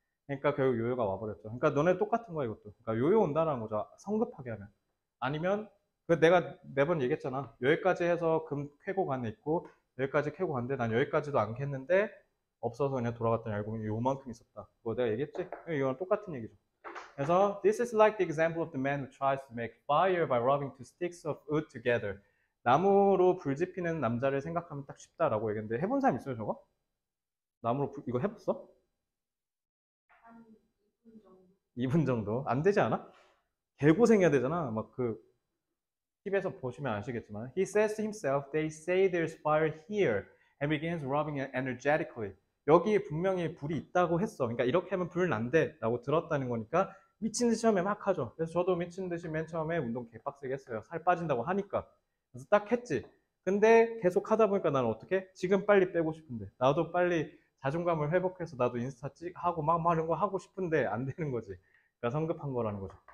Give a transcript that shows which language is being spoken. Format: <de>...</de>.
<ko>그러니까 결국 요요가 와버렸죠. 그러니까 너네 똑같은 거야, 이것도. 그러니까 요요 온다라는 거죠. 성급하게 하면. 아니면, 그 내가 매번 얘기했잖아. 여기까지 해서 금 쾌고 간에 있고, 여기까지 쾌고 간데 난 여기까지도 안 캤는데, 없어서 그냥 돌아갔더니 알고 보면 요만큼 있었다. 그거 내가 얘기했지? 이건 똑같은 얘기죠. 그래서</ko> <en>this is like the example of the man who tries to make fire by rubbing two sticks of wood together.</en> <ko>나무로 불 지피는 남자를 생각하면 딱 쉽다라고 얘기했는데 해본 사람 있어요 저거? 나무로 불 이거 해봤어? 2분 정도 안 되지 않아? 개고생해야 되잖아. 막 그 TV에서 보시면 아시겠지만</ko> <en>he says to himself, they say there's fire here and begins rubbing it energetically.</en> <ko>여기에 분명히 불이 있다고 했어. 그러니까 이렇게 하면 불 난대 라고 들었다는 거니까 미친 듯이 처음에 막 하죠. 그래서 저도 미친 듯이 맨 처음에 운동 개빡세게 했어요. 살 빠진다고 하니까. 그래서 딱 했지. 근데 계속 하다 보니까 나는 어떻게? 지금 빨리 빼고 싶은데. 나도 빨리 자존감을 회복해서 나도 인스타 찍하고 막 하는 거 하고 싶은데 안 되는 거지. 그러니까 성급한 거라는 거죠.</ko>